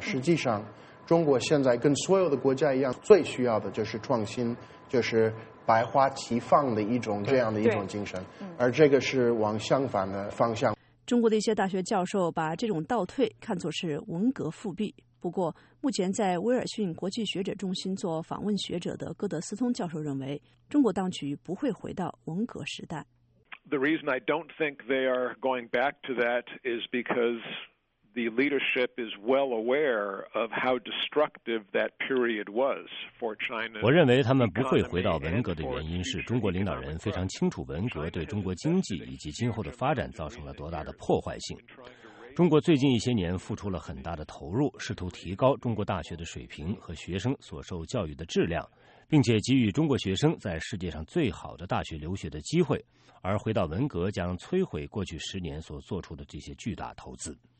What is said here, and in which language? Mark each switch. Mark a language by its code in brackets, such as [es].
[zh] 实际上中国现在跟所有的国家一样，最需要的就是创新，就是百花齐放的一种这样的一种精神，而这个是往相反的方向。中国的一些大学教授把这种倒退看作是文革复辟。不过目前在威尔逊国际学者中心做访问学者的戈德斯通教授认为，中国当局不会回到文革时代。 [en] The reason I don't think they are going back to that is because the leadership is well aware of how destructive that period was for China. [zh] 我认为他们不会回到文革的原因是中国领导人非常清楚文革对中国经济以及今后的发展造成了多大的破坏性。中国最近一些年付出了很大的投入，试图提高中国大学的水平和学生所受教育的质量，并且给予中国学生在世界上最好的大学留学的机会，而回到文革将摧毁过去十年所做出的这些巨大投资。